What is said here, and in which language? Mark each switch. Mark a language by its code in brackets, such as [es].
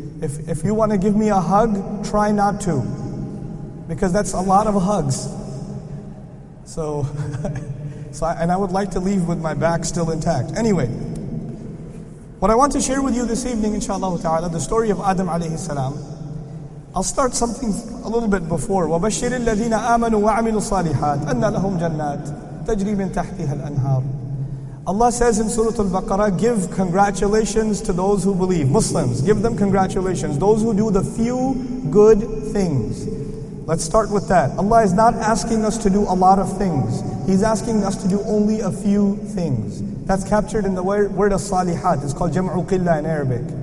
[en] If you want to give me a hug, try not to. Because that's a lot of hugs. So, and I would like to leave with my back still intact. Anyway, what I want to share with you this evening, inshallah ta'ala, the story of Adam alayhi salam. I'll start something a little bit before. [ar] وَبَشِّرِ الَّذِينَ آمَنُوا وَعَمِلُوا الصَّالِحَاتِ أَنَّ لَهُمْ جَنَّاتٍ تَجْرِي مِنْ تَحْتِهَا الْأَنْهَارِ [en] Allah says in Surah Al-Baqarah, give congratulations to those who believe. Muslims, give them congratulations. Those who do the few good things. Let's start with that. Allah is not asking us to do a lot of things. He's asking us to do only a few things. That's captured in the word as-salihat. It's called jam'u qilla in Arabic.